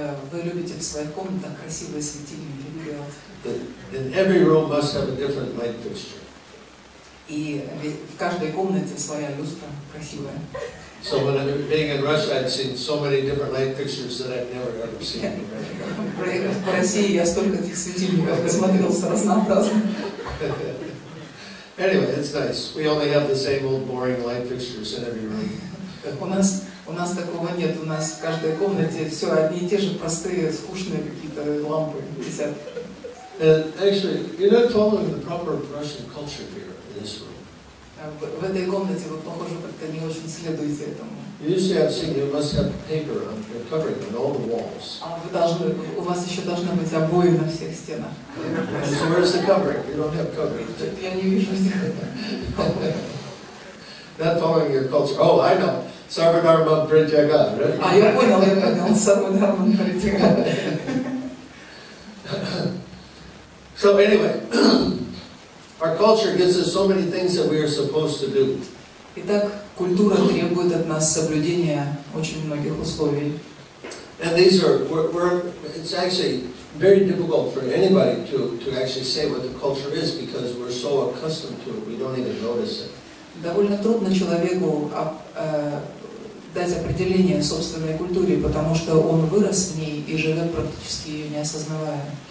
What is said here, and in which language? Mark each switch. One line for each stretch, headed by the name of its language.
Russian: вы любите в своих комнатах красивые светильники делать.
English: And every room must have a different light fixture.
Russian: И в каждой комнате своя люстра красивая.
English: So when I've been being in Russia, I've seen so many different light fixtures that I've never ever seen in America.
Russian: В России я столько этих светильников посмотрел с разнообразным.
English: Anyway, it's nice. We only have the same old boring light fixtures in every room.
Russian: У нас такого нет. У нас в каждой комнате все одни и те же простые, скучные какие-то лампы.
English: Actually, you're not following the proper Russian culture here in this room.
Russian: В этой комнате вы, похоже, как-то не очень следуете этому.
English: Usually I've seen you must have paper on your covering on all the walls.
Russian: У вас еще должны быть обои на всех стенах.
English: So where's the covering? You don't have covering.
Russian: Я не вижу стены.
English: Not following your culture. Oh, I know.
Sanskrit: Sarva Dharma Pratyaga,
English: right?
Russian: А я понял,
Sanskrit: Sarva Dharma Pratyaga.
English: So anyway, our culture gives us so many things that we are supposed to do.
Russian: Итак, культура требует от нас соблюдения очень многих условий.
English: And these are, it's actually very difficult for anybody to actually say what the culture is because we're so accustomed to it, we don't even notice it.
Russian: Довольно трудно человеку дать определение собственной культуре, потому что он вырос в ней и живет практически ее не осознавая.